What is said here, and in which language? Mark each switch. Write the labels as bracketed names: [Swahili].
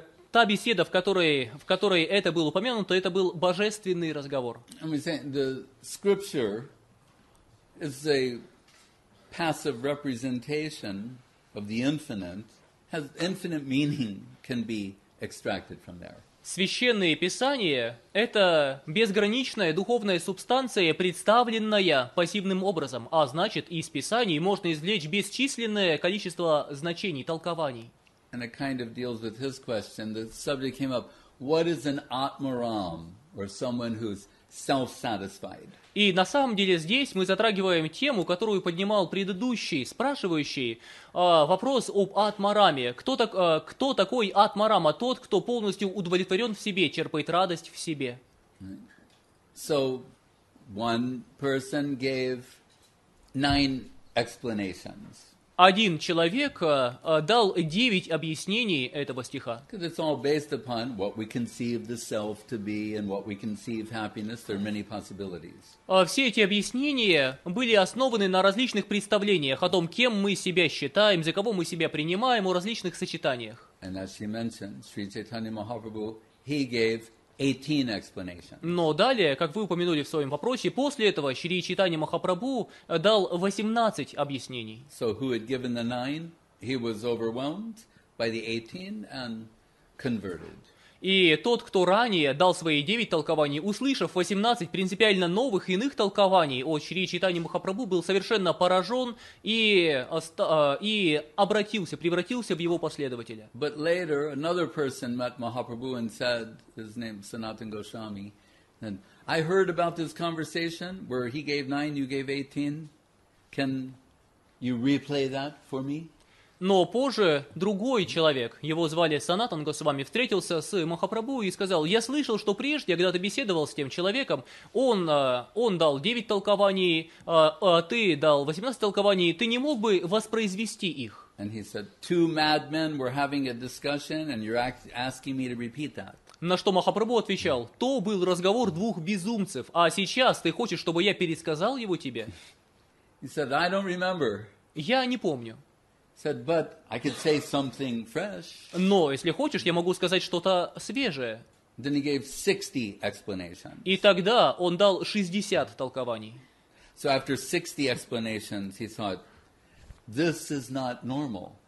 [Russian] Та беседа, в которой это было упомянуто, это был божественный разговор. [English] I'm saying the scripture is a passive representation of the infinite has infinite meaning can be extracted from there. [Russian] Священные Писания – это безграничная духовная субстанция, представленная пассивным образом, а значит, из Писаний можно извлечь бесчисленное количество значений, толкований. [English] And it kind of deals with his question. The subject came up, what is an atmaram, or someone who's self-satisfied? [Russian] И на самом деле здесь мы затрагиваем тему, которую поднимал предыдущий спрашивающий, вопрос об атмараме. Кто такой атмарама? Тот, кто полностью удовлетворен в себе, черпает радость в себе. [English] So one person gave 9 explanations. [Russian] Один человек дал 9 объяснений этого стиха. [English] Because it's all based upon what we conceive the self to be and what we conceive happiness. There are many possibilities. [Russian] Все эти объяснения были основаны на различных представлениях о том, кем мы себя считаем, за кого мы себя принимаем, о различных сочетаниях. [English] And as she mentioned, Sri Chaitanya Mahaprabhu, he gave 18 explanations. [Russian] Но далее, как вы упомянули в своем вопросе, после этого Шри Чайтанья Махапрабху дал 18 объяснений. [English] So who had given the 9, he was overwhelmed by the 18 and converted. [Russian] И тот, кто ранее дал свои 9 толкований, услышав 18 принципиально новых иных толкований о Шри Чайтанья Махапрабху, был совершенно поражен и обратился, превратился в его последователя. [English] But later another person met Mahaprabhu and said, his name Sanatan Goswami, and I heard about this conversation where he gave 9, you gave 18. Can you replay that for me? [Russian] Но позже другой человек, его звали Санатан Госвами, встретился с Махапрабху и сказал: «Я слышал, что прежде, когда ты беседовал с тем человеком, он дал 9 толкований, а ты дал 18 толкований, ты не мог бы воспроизвести их?» [English] And he said, two madmen were having a discussion and you're asking me to repeat that. [Russian] На что Махапрабху отвечал: «То был разговор двух безумцев, а сейчас ты хочешь, чтобы я пересказал его тебе?» [English] He said, I don't remember. [Russian] Я не помню. [English] Said, but I could say something fresh. [Russian] Но если хочешь, я могу сказать что-то свежее. [English] Then he gave 60 explanations. [Russian] И тогда он дал 60 толкований. [English] So after 60 explanations, he thought, this is not normal.